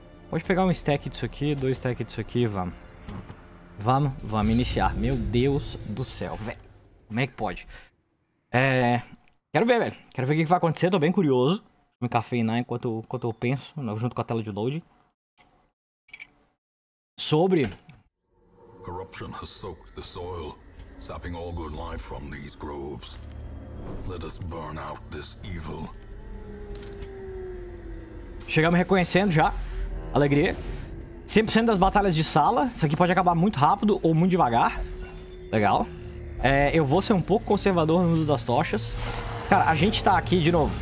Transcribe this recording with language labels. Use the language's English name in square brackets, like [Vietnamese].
[Portuguese] Pode pegar um stack disso aqui, dois stacks disso aqui, vamos. Vamos iniciar. Meu Deus do céu, velho. Como é que pode? Quero ver, velho. Quero ver o que vai acontecer. Tô bem curioso. Vou me cafeinar enquanto eu penso, junto com a tela de load. Sobre. [English] Corruption has soaked the soil, sapping all good life from these groves. Let us burn out this evil. [Portuguese] Chegamos reconhecendo já. Alegria. 100% das batalhas de sala. Isso aqui pode acabar muito rápido ou muito devagar. Legal. Eu vou ser um pouco conservador no uso das tochas. Cara, a gente tá aqui, de novo.